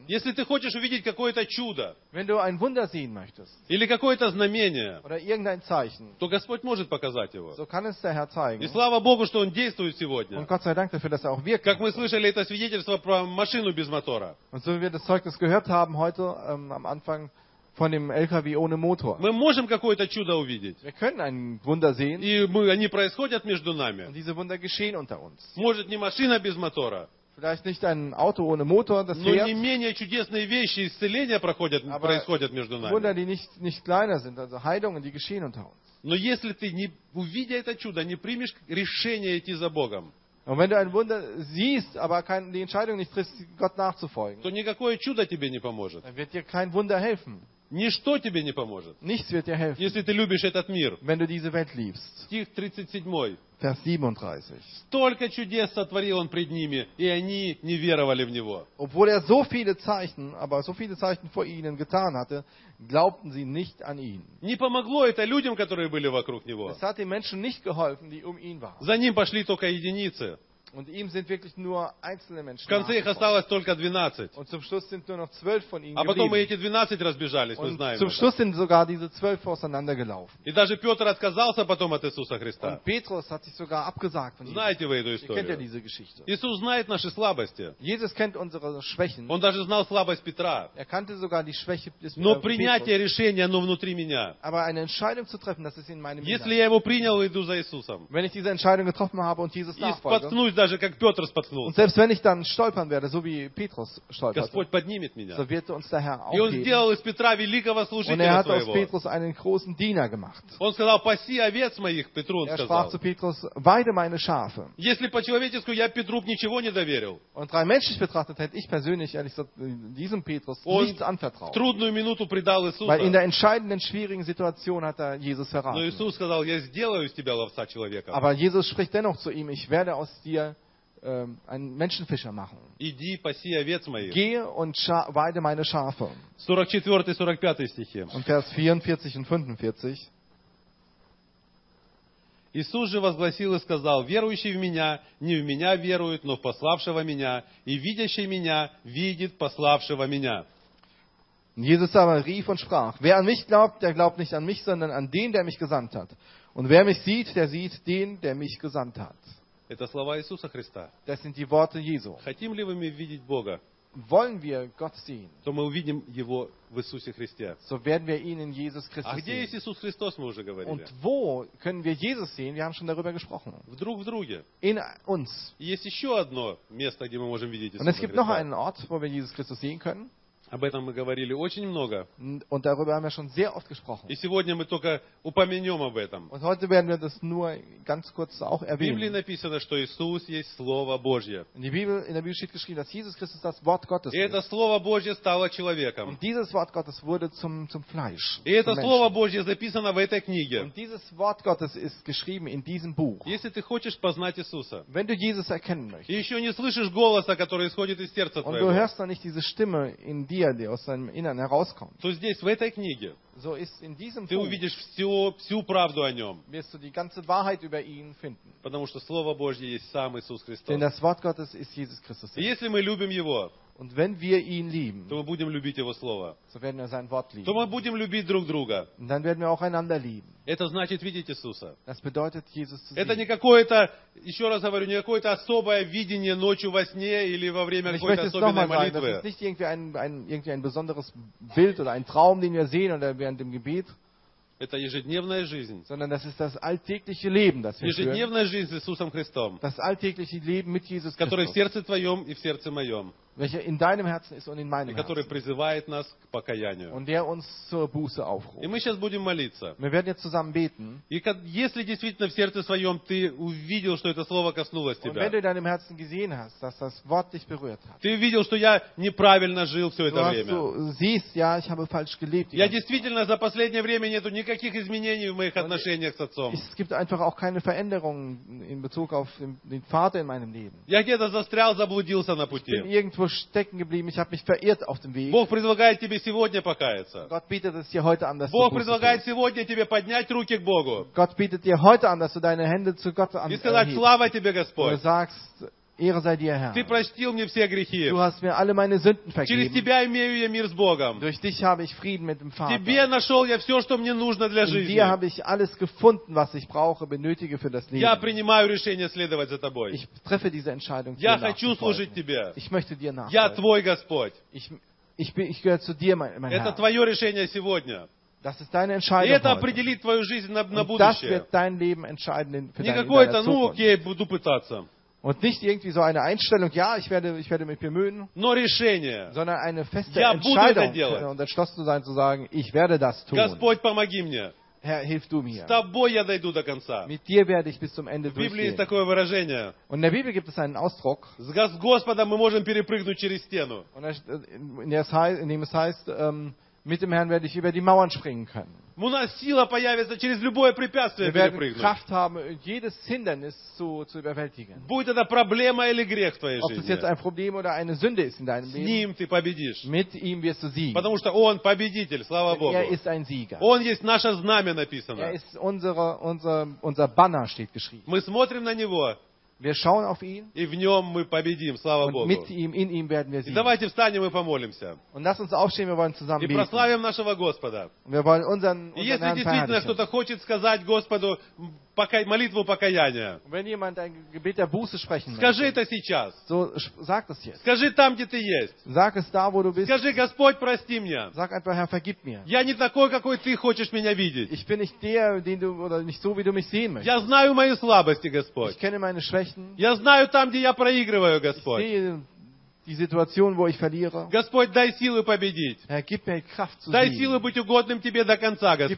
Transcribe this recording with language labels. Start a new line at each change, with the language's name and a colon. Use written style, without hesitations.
Russian: Если ты хочешь увидеть какое-то чудо,
German: wenn du ein Wunder sehen möchtest,
Russian: или какое-то знамение,
German: oder irgendein Zeichen,
Russian: то Господь может показать его.
German: So kann es der Herr zeigen.
Russian: И слава Богу, что Он действует сегодня.
German: Und Gott sei Dank dafür, dass er auch wirkt.
Russian: Как мы слышали это свидетельство про машину без мотора.
German: Und so wie wir das Zeugnis gehört haben heute am Anfang, von dem LKW ohne Motor.
Russian: Мы можем какое-то чудо увидеть.
German: Wir können ein Wunder sehen.
Russian: И мы, они происходят между нами.
German: Und diese Wunder geschehen unter uns.
Russian: Может, не машина без мотора.
German: Vielleicht nicht ein Auto ohne Motor, das
Russian: Но
German: fährt.
Russian: Не менее чудесные вещи, исцеления проходят,
German: Aber
Russian: происходят между нами.
German: Wunder, die nicht kleiner sind, also Heilungen, die geschehen unter uns.
Russian: Но если ты, не, увидя это чудо, не примешь решение идти за Богом,
German: Und wenn du ein Wunder siehst, aber die Entscheidung nicht triffst, Gott nachzufolgen,
Russian: то никакое чудо тебе не поможет.
German: Dann wird dir kein Wunder helfen.
Russian: Ничто тебе не поможет.
German: Nichts wird dir helfen.
Russian: Если ты любишь этот мир.
German: Wenn du diese Welt liebst.
Russian: Стих 37.
German: Vers 37.
Russian: Столько чудес сотворил он пред ними, и они не веровали в него.
German: Obwohl er so viele Zeichen, aber so viele Zeichen vor ihnen getan hatte, glaubten sie nicht an ihn.
Russian: Не помогло это людям, которые были вокруг него.
German: Es hat den Menschen nicht geholfen, die um ihn waren.
Russian: За ним пошли только единицы.
German: Und ihm sind wirklich nur einzelne Menschen.
Russian: В конце их осталось только 12.
German: Und zum Schluss sind nur noch 12 von ihnen.
Russian: А потом эти 12 разбежались, мы знаем.
German: Zum Schluss sind sogar diese 12 auseinandergelaufen.
Russian: И даже Петр отказался потом от Иисуса Христа.
German: Und Petrus hat sich sogar abgesagt von ihm.
Russian: Знаете вы эту историю?
German: Kennt ihr diese Geschichte?
Russian: Иисус знает наши слабости.
German: Jesus kennt unsere Schwächen.
Russian: Он даже знал слабость Петра.
German: Er kannte sogar die Schwäche des Petrus.
Russian: Но принятие решения, оно внутри меня.
German: Aber eine Entscheidung zu treffen, das ist in meinem Inneren.
Russian: Если я его принял, иду за Иисусом.
German: Wenn ich diese Entscheidung getroffen habe und Jesus nachfolge.
Russian: Даже как Петр споткнулся.
German: Und selbst wenn ich dann stolpern werde, so wie Petrus stolperte,
Russian: Господь поднимет меня.
German: So wird uns der Herr aufgeben.
Russian: И он сделал из Петра великого служителя
German: hat aus Petrus einen großen Diener gemacht.
Russian: Он сказал, паси овец моих, Петру он сказал.
German: sprach zu Petrus, weide meine Schafe.
Russian: Если по-человечески, я Петру ничего не доверил.
German: Und rein menschlich betrachtet, hätte ich persönlich, ehrlich gesagt, diesem Petrus nichts anvertraut.
Russian: В трудную минуту предал Иисуса.
German: Weil in der entscheidenden, schwierigen Situation hat er Jesus verraten.
Russian: Но Иисус сказал, я сделаю из тебя ловца человека.
German: Aber Jesus spricht dennoch zu ihm, ich werde aus dir einen Menschenfischer machen.
Russian: Иди, паси овец моих.
German: Gehe und weide meine Schafe.
Russian: 44-45 стихи.
German: Und Vers 44 und 45.
Russian: Иисус же возгласил и сказал, верующий в меня, не в меня верует, но в пославшего меня, и видящий меня, видит пославшего меня.
German: Jesus aber rief und sprach, wer an mich glaubt, der glaubt nicht an mich, sondern an den, der mich gesandt hat. Und wer mich sieht den, der mich gesandt hat.
Russian: Это слова Иисуса Христа.
German: Das sind die Worte Jesu.
Russian: Хотим ли мы видеть Бога?
German: Wollen wir Gott sehen?
Russian: То мы увидим Его в Иисусе Христе.
German: So werden wir ihn in Jesus Christus sehen.
Russian: А где есть Иисус Христос, мы уже говорили.
German: Und wo können wir Jesus sehen? Wir haben schon darüber gesprochen.
Russian: Вдруг в друге.
German: In uns.
Russian: И есть еще одно место, где мы можем видеть Иисуса Христа.
German: Und es gibt noch einen Ort, wo wir Jesus Christus sehen können.
Russian: Об этом мы говорили очень много.
German: Und darüber haben wir schon sehr oft gesprochen.
Russian: И сегодня мы только упомянем об этом.
German: Und heute werden wir das nur ganz kurz auch erwähnen.
Russian: В Библии написано, что Иисус есть Слово Божье.
German: In der Bibel steht geschrieben, dass Jesus Christus das Wort Gottes ist.
Russian: И это Слово Божье стало человеком.
German: Und dieses Wort Gottes wurde zum Fleisch.
Russian: И это Слово Божье записано в этой книге.
German: Und dieses Wort Gottes ist geschrieben in diesem Buch.
Russian: Если ты хочешь познать Иисуса,
German: wenn du Jesus erkennen möchtest,
Russian: и еще не слышишь голоса, который исходит из сердца твоего,
German: und du hörst noch nicht diese Stimme in dir, die aus seinem Inneren herauskommt. So,
Russian: здесь, в этой книге,
German: so ist in diesem Buch.
Russian: Увидишь всю правду о нем.
German: Wirst du die ganze Wahrheit über ihn finden.
Russian: Потому что Слово Божье есть сам Иисус Христос.
German: Denn das Wort Gottes ist Jesus Christus.
Russian: И если мы любим его,
German: und wenn wir ihn lieben,
Russian: то мы будем любить его слово.
German: So werden wir sein Wort lieben.
Russian: То мы будем любить друг друга.
German: Und dann werden wir auch einander lieben.
Russian: Это значит видеть Иисуса.
German: Das bedeutet Jesus zu sehen.
Russian: Это не какое-то, еще раз говорю, не какое-то особое видение ночью во сне или во время какой-то особенной молитвы.
German: Ich möchte es noch mal sagen, das ist nicht irgendwie ein besonderes Bild oder ein Traum, den wir sehen oder während dem Gebet.
Russian: Это ежедневная жизнь.
German: Sondern das ist das alltägliche Leben, das wir
Russian: ежедневная
German: führen.
Russian: Жизнь с Иисусом Христом.
German: Das alltägliche Leben mit Jesus Christus.
Russian: Которое в сердце твоем и в сердце моем.
German: Welcher in deinem Herzen ist und in meinem Herzen.
Russian: Который призывает нас к покаянию.
German: Und der uns zur Buße aufruft.
Russian: И мы сейчас будем молиться.
German: Wir werden jetzt zusammen beten.
Russian: И если действительно в сердце своем ты увидел, что это слово коснулось тебя.
German: Und wenn du in deinem Herzen gesehen hast, dass das Wort dich berührt hat.
Russian: Ты увидел, что я неправильно жил все это время.
German: Du siehst, ja, ich habe falsch gelebt.
Russian: Я действительно за последнее время нету никаких изменений в моих отношениях с отцом.
German: Es gibt einfach auch keine Veränderungen in Bezug auf den Vater in meinem Leben.
Russian: Я где-то застрял, заблудился на пути.
German: Stecken geblieben, ich habe mich verirrt auf dem Weg.
Russian: Бог предлагает тебе сегодня покаяться.
German: Gott bietet es dir heute an, dass
Russian: Бог предлагает сегодня тебе поднять руки к Богу.
German: Gott bietet dir heute an, dass du deine Hände zu Gott anhebst.
Russian: И сказать, слава тебе, Господь.
German: Du sagst, Ehre sei dir, Herr.
Russian: Ты простил мне все грехи.
German: Du hast mir alle meine Sünden vergeben.
Russian: Через тебя имею я мир с Богом.
German: Durch dich habe ich Frieden mit dem Vater.
Russian: Тебе нашел я все, что мне нужно для жизни.
German: In dir habe ich alles gefunden, was ich brauche, benötige für das Leben.
Russian: Я принимаю решение следовать за тобой.
German: Ich treffe diese Entscheidung,
Russian: я хочу служить тебе.
German: Ich möchte dir nachfolgen.
Russian: Я твой Господь.
German: Ich gehöre zu dir, mein Herr.
Russian: Это твое решение сегодня.
German: Das ist deine Entscheidung.
Russian: И это определит твою жизнь на будущее.
German: Das wird dein Leben entscheiden für deine Zukunft.
Russian: Не какое-то, ну окей, буду пытаться.
German: Und nicht irgendwie so eine Einstellung, ja, ich werde mich bemühen,
Russian: решение,
German: sondern eine feste Entscheidung, und entschlossen zu sein, zu sagen, ich werde das tun.
Russian: Господь, помоги мне.
German: Herr, hilf du mir.
Russian: С тобой я дойду до конца.
German: Mit dir werde ich bis zum Ende durchgehen.
Russian: В Библии есть такое выражение.
German: Und in der Bibel gibt es einen Ausdruck.
Russian: С Господом мы можем перепрыгнуть через стену.
German: Und in dem es heißt, mit dem Herrn werde ich über die Mauern springen können.
Russian: У нас сила появится через любое препятствие перепрыгнуть.
German: Kraft haben, jedes Hindernis zu überwältigen.
Russian: Будет это проблема или грех в твоей жизни.
German: Ob es jetzt ein Problem oder eine Sünde ist in deinem Leben.
Russian: С ним ты победишь.
German: Mit ihm wirst du siegen.
Russian: Потому что он победитель, слава Богу.
German: Er ist ein Sieger.
Russian: Он есть наше знамя написано.
German: Er ist unser Banner steht geschrieben.
Russian: Мы смотрим на него.
German: Wir schauen auf ihn.
Russian: И в нем мы победим, слава Богу.
German: Mit ihm, in ihm werden wir siegen.
Russian: И давайте встанем и помолимся.
German: Und lass uns aufstehen, wir wollen zusammen beten.
Russian: И прославим нашего Господа.
German: Wir wollen unseren Herrn verherrlichen.
Russian: Если действительно кто-то хочет сказать Господу молитву покаяния.
German: Wenn jemand ein Gebet der Buße sprechen möchte.
Russian: Скажи это сейчас.
German: So, sag das jetzt.
Russian: Скажи там, где ты есть.
German: Sag es da, wo du bist.
Russian: Скажи, Господь, прости меня.
German: Sag einfach, Herr, vergib mir.
Russian: Я не такой, какой ты хочешь меня видеть.
German: Ich bin nicht der, den du, oder nicht so, wie du mich sehen möchtest.
Russian: Я знаю мои слабости, Господь.
German: Ich kenne meine Schwächen.
Russian: Я знаю там, где я проигрываю, Господь.
German: Ich sehe die Situation, wo ich verliere.
Russian: Господь, дай силы победить.
German: Herr, gib mir Kraft zu siegen.
Russian: Дай силы быть угодным тебе до конца, Господь.